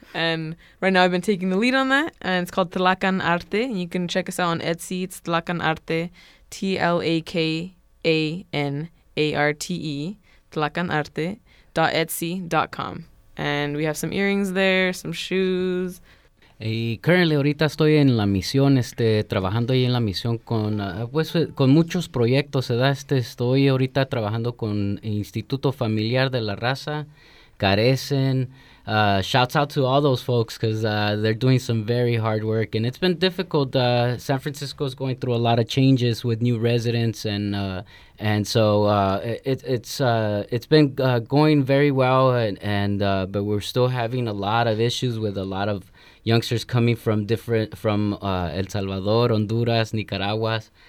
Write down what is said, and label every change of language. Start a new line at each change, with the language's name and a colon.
English: And right now I've been taking the lead on that. And it's called Tlacan Arte. And you can check us out on Etsy. It's Tlacan Arte. TLACANARTE, tlacanarte.etsy.com. And we have some earrings there, some shoes.
Spanish: Y currently, ahorita estoy en la misión, trabajando ahí en la misión con, con muchos proyectos, ¿verdad? Estoy ahorita trabajando con Instituto Familiar de la Raza, Carecen.
English: Shouts out to all those folks because they're doing some very hard work, and it's been difficult. San Francisco is going through a lot of changes with new residents, and so it's been going very well, but we're still having a lot of issues with a lot of youngsters coming from El Salvador, Honduras, Nicaragua,